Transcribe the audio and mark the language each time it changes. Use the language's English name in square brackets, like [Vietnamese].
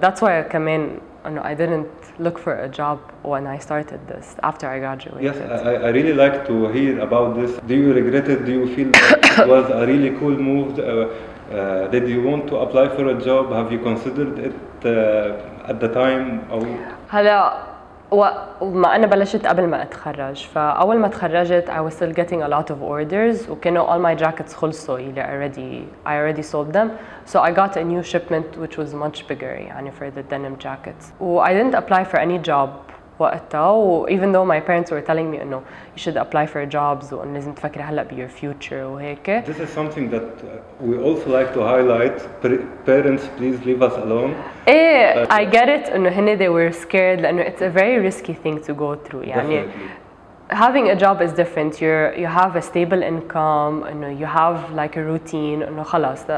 [English] That's why I come in. No, I didn't look for a job when I started this after I graduated. Yes, I really like to hear about this. Do you regret it? Do you feel it was a really cool move? Did you want to apply for a job? Have you considered it at the time? [Arabic] هلا وما أنا بلشت قبل ما أتخرج. فأول ما تخرجت, [English] I was still getting a lot of orders. وكانوا all my jackets خلصوا. I already sold them. So I got a new shipment which was much bigger, يعني for the denim jackets. I didn't apply for any job وقتها. Even though my parents were telling me, no, you should apply for jobs. [Arabic] وأن لازم تفكر هلا بـ [English] your future [Arabic] وهيك. [English] This is something that we also like to highlight. Parents, please leave us alone. إيه, but I get it. [Arabic] إنه هني [English] they were scared. لأنه it's a very risky thing to go through. يعني definitely. Having a job is different. You have a stable income, you know, you have like a routine, you know, خلاص.